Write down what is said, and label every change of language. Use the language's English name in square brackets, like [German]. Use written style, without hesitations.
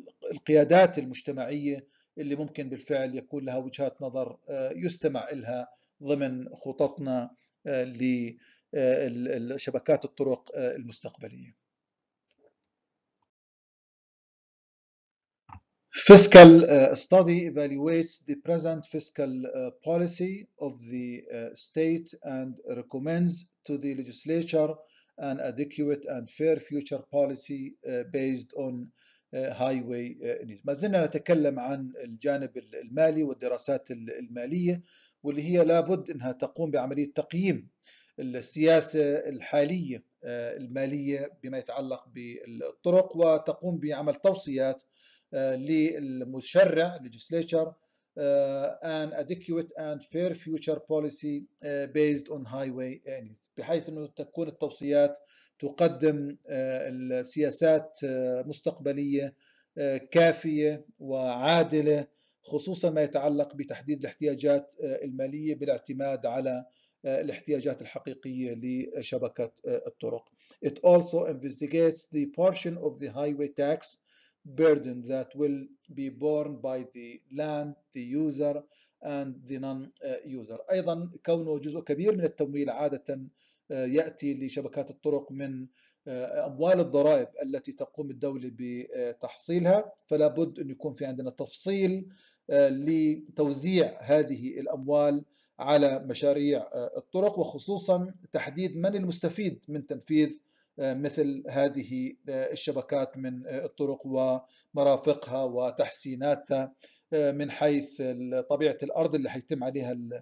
[Arabic] القيادات المجتمعية اللي ممكن بالفعل يكون لها وجهات نظر يستمع إلها ضمن خططنا لشبكات الطرق المستقبلية. [English] Fiscal study evaluates the present fiscal policy of the state and recommends to the legislature an adequate and fair future policy based on highway needs. [Arabic] ما زلنا نتكلم عن الجانب المالي والدراسات المالية، واللي هي لابد أنها تقوم بعملية تقييم السياسة الحالية المالية بما يتعلق بالطرق، وتقوم بعمل توصيات للمشرع legislature [English] an adequate and fair future policy based on highway needs، [Arabic] بحيث أنه تكون التوصيات تقدم السياسات مستقبلية كافية وعادلة، خصوصا ما يتعلق بتحديد الاحتياجات المالية بالاعتماد على الاحتياجات الحقيقية لشبكة الطرق. [English] It also investigates the portion of the highway tax burden that will be borne by the land, the user and the non-user. [Arabic] أيضا كونه جزء كبير من التمويل عادة يأتي لشبكات الطرق من أموال الضرائب التي تقوم الدولة بتحصيلها، فلا بد أن يكون في عندنا تفصيل لتوزيع هذه الأموال على مشاريع الطرق، وخصوصا تحديد من المستفيد من تنفيذ مثل هذه الشبكات من الطرق ومرافقها وتحسيناتها من حيث طبيعة الأرض اللي حيتم عليها